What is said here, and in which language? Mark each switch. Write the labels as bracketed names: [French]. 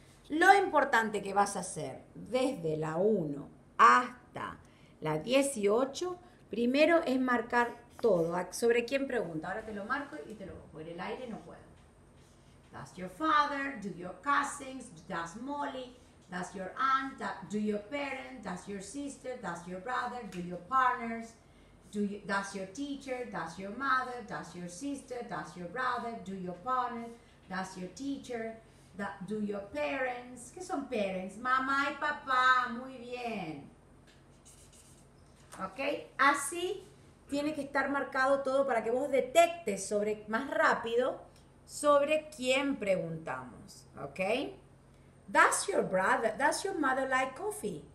[Spanish] Lo importante que vas a hacer desde la 1 hasta la 18, primero es marcar todo. ¿Sobre quién pregunta? Ahora te lo marco y te lo voy a poner el aire, no puedo. [English] Does your father, do your cousins, does Molly, does your aunt, do your parents, does your sister, does your brother, do your partners, does your teacher, does your mother, does your sister, does your brother, do your partner, does your teacher, do your parents. [Spanish] ¿Qué son parents? Mamá y papá, muy bien. ¿Ok? Así tiene que estar marcado todo para que vos detectes sobre, más rápido sobre quién preguntamos. ¿Ok? [English] Does your brother, does your mother like coffee?